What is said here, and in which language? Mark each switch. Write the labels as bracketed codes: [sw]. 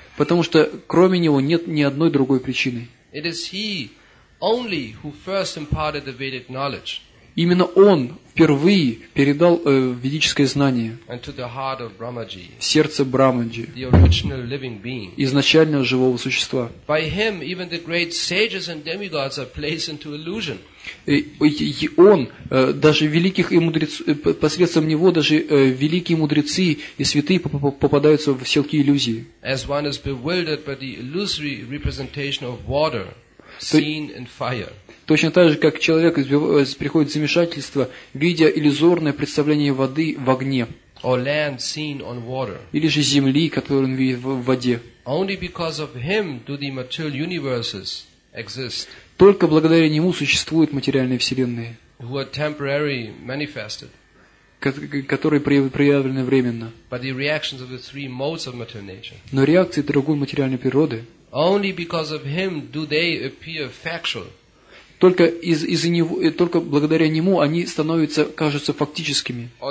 [ru] Потому что кроме него нет ни одной другой причины. [en] It is he only who first imparted the Vedic knowledge. [ru] Именно он впервые передал ведическое знание. [en] And to the heart of Brahmaji. [ru] Сердце Брахмаджи. [en] The original living being. [ru] Изначального живого существа. [en] By him even the great sages and demigods are placed into illusion. [ru] И он, даже великих и мудрец, посредством него даже великие мудрецы и святые попадаются в силки иллюзии. [en] As one is bewildered by the illusory representation of water seen in fire. [ru] Точно так же, как человек приходит в замешательство, видя иллюзорное представление воды в огне. [en] Or land seen on water. [ru] Или же земли, которую он видит в воде. [en] Only because of him do the material universes exist. [ru] Только благодаря Нему существуют материальные вселенные, [en] who are temporary manifested, [ru] которые проявлены временно. [en] But the reactions of the three modes of material nature. [ru] Но реакции другой материальной природы [en] only because of him do they appear factual. [ru] Только из-за него, только благодаря нему они становятся, кажутся фактическими.